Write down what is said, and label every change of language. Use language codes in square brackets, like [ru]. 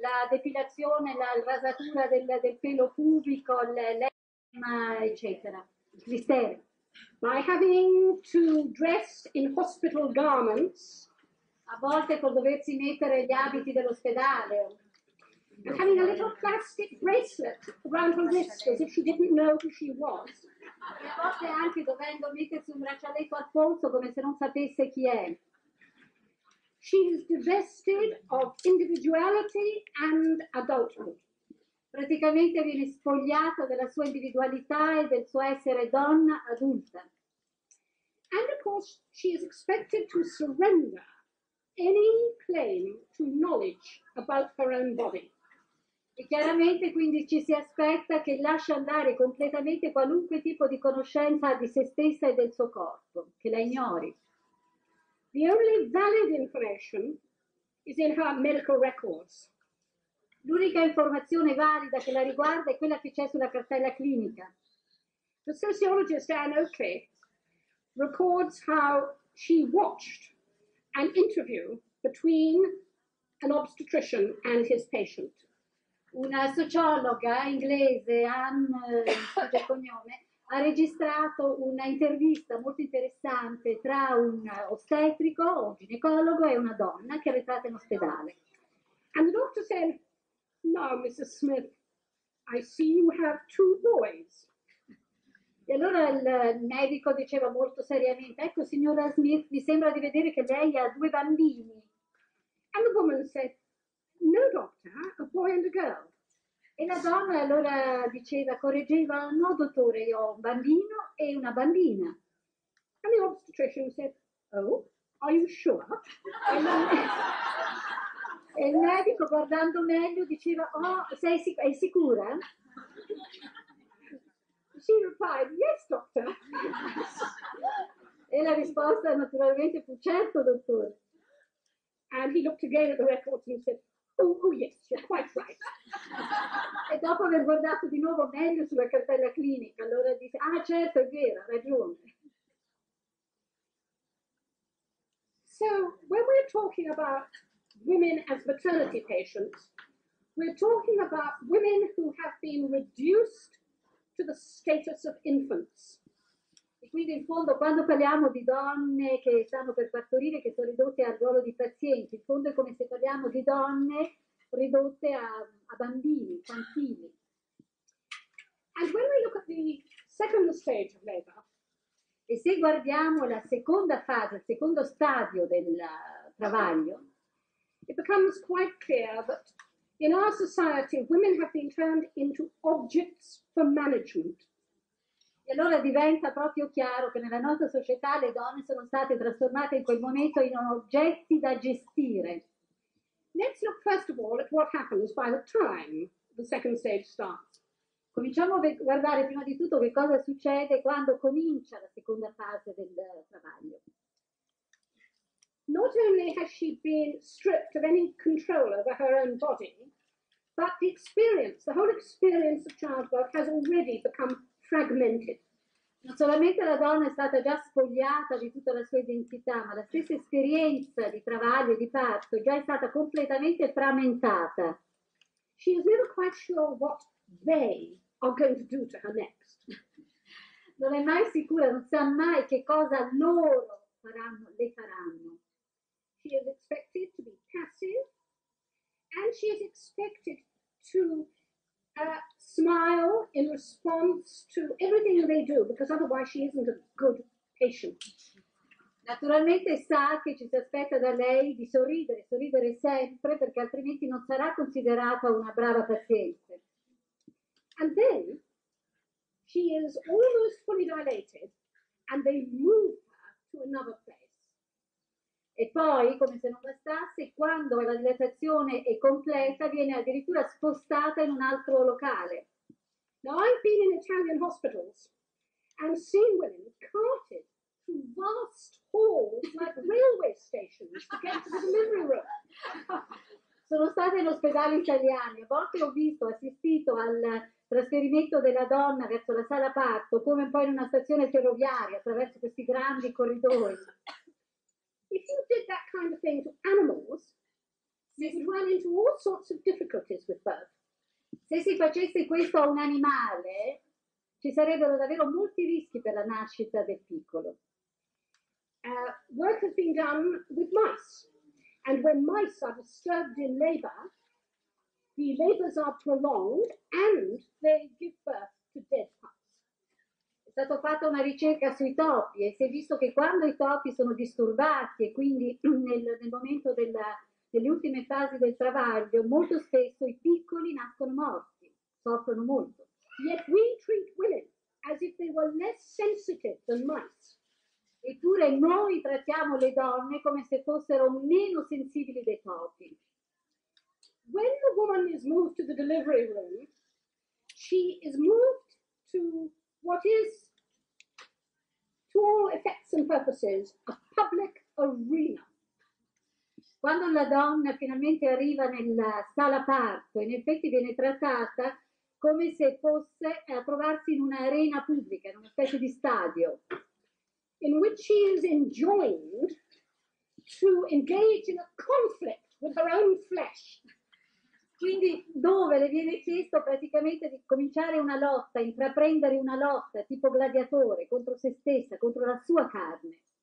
[it] la depilazione, la rasatura del pelo pubico, l'enema, eccetera, il clistero. [en] By having to dress in hospital garments, [it] a volte col doversi mettere gli abiti dell'ospedale, [en] and having a little plastic bracelet around her wrist as if she didn't know who she was. [it] E a volte anche dovendo mettersi un braccialetto al polso come se non sapesse chi è. [en] She is divested of individuality and adulthood. [it] Praticamente viene spogliata della sua individualità e del suo essere donna adulta. [en] And of course she is expected to surrender any claim to knowledge about her own body. [it] E chiaramente quindi ci si aspetta che lascia andare completamente qualunque tipo di conoscenza di se stessa e del suo corpo, che la ignori. [en] The only valid information is in her medical records. [it] L'unica informazione valida che la riguarda è quella che c'è sulla cartella clinica. [en] The sociologist Anne Oakley records how she watched an interview between an obstetrician and his patient. [it] Una sociologa inglese, Anne, cognome, ha registrato una intervista molto interessante tra un ostetrico, un ginecologo e una donna che è arrivata in ospedale. [en] And the doctor said, "No, Mrs. Smith, I see you have two boys." [it] E allora il medico diceva molto seriamente, "Ecco, signora Smith, mi sembra di vedere che lei ha due bambini." [en] And the woman said, "No, doctor, a boy and a girl." [it] E la donna allora diceva, correggeva, "No, dottore, io ho un bambino e una bambina." [en] And the obstetrician said, "Oh, are you sure?" [it] E il medico, guardando meglio, diceva, "Oh, sei sicura?" [en] She replied, "Yes, doctor." [it] E la risposta naturalmente fu, "Certo, dottore." [en] And he looked again at the records and said, "Oh, yes, you're quite right." [it] E dopo aver guardato di nuovo meglio sulla cartella clinica, allora dice, "Ah, certo, è vero, ha ragione." [en] So, when we're talking about women as maternity patients, we're talking about women who have been reduced to the status of infants. [it] E quindi in fondo quando parliamo di donne che stanno per partorire, che sono ridotte al ruolo di pazienti, in fondo è come se parliamo di donne ridotte a bambini, infantili. [en] And when we look at the second stage of labor, [it] e se guardiamo la seconda fase, il secondo stadio del travaglio, [en] it becomes quite clear that in our society women have been turned into objects for management. [it] E allora diventa proprio chiaro che nella nostra società le donne sono state trasformate in quel momento in oggetti da gestire. [en] Let's look first of all at what happens by the time the second stage starts. [it] Cominciamo a guardare prima di tutto che cosa succede quando comincia la seconda fase del travaglio. [en] Not only has she been stripped of any control over her own body, but the experience, the whole experience of childbirth has already become fragmented. [it] Non solamente la donna è stata già spogliata di tutta la sua identità, ma la stessa esperienza di travaglio e di parto già è stata completamente frammentata. [en] She is never quite sure what they are going to do to her next. [it] Non è mai sicura, non sa mai che cosa loro faranno, le faranno. [en] She is expected to be passive, and she is expected to smile in response to everything they do, because otherwise she isn't a good patient. [it] Naturalmente sa che ci si aspetta da lei di sorridere, sorridere sempre, perché altrimenti non sarà considerata una brava paziente. [en] And then she is almost fully dilated, and they move her to another place. [it] E poi, come se non bastasse, quando la dilatazione è completa, viene addirittura spostata in un altro locale. [en] Now, I've been in Italian hospitals and seen women carted through vast halls like railway stations to get to the delivery room. [it] Sono stata in ospedali italiani, a volte ho visto, assistito al trasferimento della donna verso la sala parto, come poi in una stazione ferroviaria, attraverso questi grandi corridoi. [en] If you did that kind of thing to animals, we would run into all sorts of difficulties with birth. [it] Se si facesse questo a un animale, ci sarebbero davvero molti rischi per la nascita del piccolo. [en] Work has been done with mice, and when mice are disturbed in labor, the labors are prolonged and they give birth to dead pups. [it] È stata fatta una ricerca sui topi e si è visto che quando i topi sono disturbati e quindi nel momento delle ultime fasi del travaglio, molto spesso i piccoli nascono morti, soffrono molto. [en] Yet we treat women as if they were less sensitive than mice. [it] Eppure noi trattiamo le donne come se fossero meno sensibili dei topi. [en] When the woman is moved to the delivery room, she is moved to what is, to all effects and purposes, a public arena. [it] Quando la donna finalmente arriva nella sala parto, in effetti viene trattata come se fosse a trovarsi in un'arena pubblica, in una specie di stadio. [en] In which she is enjoined to engage in a conflict with her own flesh. [it] Quindi dove le viene chiesto praticamente di cominciare una lotta, intraprendere una lotta tipo gladiatore contro se stessa, contro la sua carne.